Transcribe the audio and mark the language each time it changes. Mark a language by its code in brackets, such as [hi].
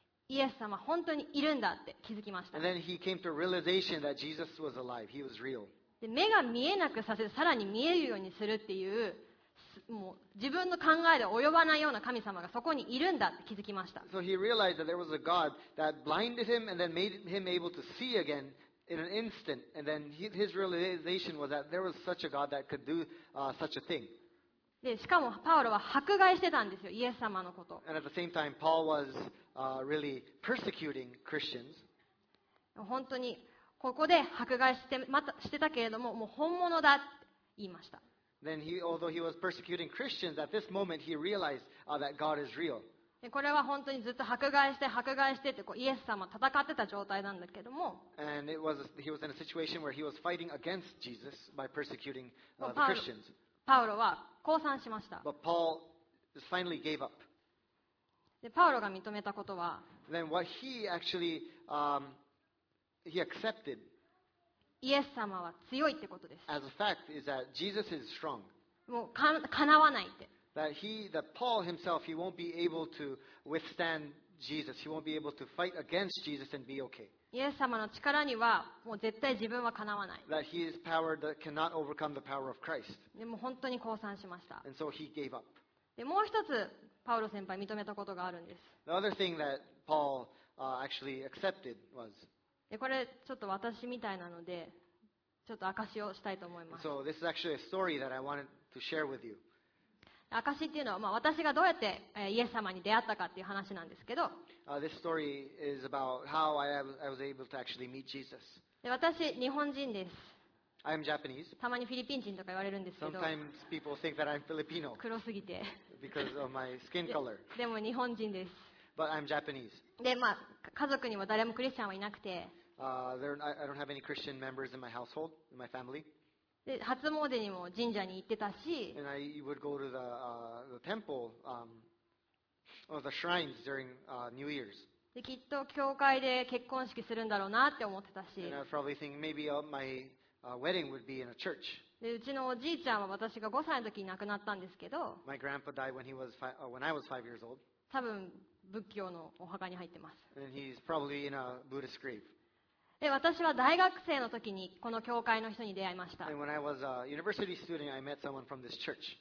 [ja] イエス様本当にいるんだって気づきました。 [en] And then he came to a realization that Jesus was alive. He was real. [ja] で、目が見えなくさせ、さらに見えるようにするっていう、もう自分の考えで及ばないような神様がそこにいるんだって気づきました。 [en] So he realized that there was a God that blinded him and then made him able to see again in an instant, and then his realization was that there was such a God that could do such a thing. [ja] でしかもパウロは迫害してたんですよ、イエス様のこと。 [en] And at the same time, Paul was really persecuting Christians. [ja] 本当にここで迫害して、またしてたけれども、もう本物だって言いました。 [en] Then he, although he was persecuting Christians, at this moment he realized that God is real. [ja] これは本当にずっと迫害して迫害してってこうイエス様戦ってた状態なんだけども。 [en] And it was, he was in a situation where he was fighting against Jesus by persecuting the Christians. [ja] パウロは降参しました。 [en] But Paul finally gave up. [ja] でパウロが認めたことは、 [en] Then what he actually, he accepted. [ja] イエス様は強いってことです。 [en] As a fact is that Jesus is strong. もうかなわないって。 That he, that Paul himself, he won't be able to withstand Jesus. He won't be able to fight against Jesus and be okay. [ja] イエス様の力にはもう絶対自分はかなわない。 [en] That his power that cannot overcome the power of Christ. [ja] でも本当に降参しました。 [en] And so he gave up. [ja] でもう一つパウロ先輩認めたことがあるんです。 [en] The other thing that Paul actually accepted was. [ja] でこれちょっと私みたいなのでちょっと証しをしたいと思います。 [en] So this is actually a story that I wanted to share with you. [ja] 証っていうのは、まあ、私がどうやってイエス様に出会ったかっていう話なんですけど。 [en] This story is about how I was able to actually meet Jesus. [ja] で私日本人です。 [en] I'm Japanese. [ja] たまにフィリピン人とか言われるんですけど。 [en] Sometimes people think that I'm Filipino. [ja] 黒すぎて。 [en] Because of my skin color. [ja] でも日本人です。 [en] But I'm Japanese. [ja] で、まあ、家族にも誰もクリスチャンはいなくて。 [en] I don't have any Christian members in my household, in my family. [ja] で、初詣にも神社に行ってたし。 [en] And I would go to the temple, or the shrines during New Year's. [ja] で、きっと教会で結婚式するんだろうなって思ってたし。 [en] And I was probably thinking maybe my wedding would be in a church. [ja] でうちのおじいちゃんは私が5歳の時に亡くなったんですけど。 [en] My grandpa died when he was when I was 5 years old. [ja] 多分仏教のお墓に入ってます。 [en] And he's probably in a Buddhist grave. [ja] で私は大学生の時にこの教会の人に出会いました。 [en] And when I was a university student, I met someone from this church.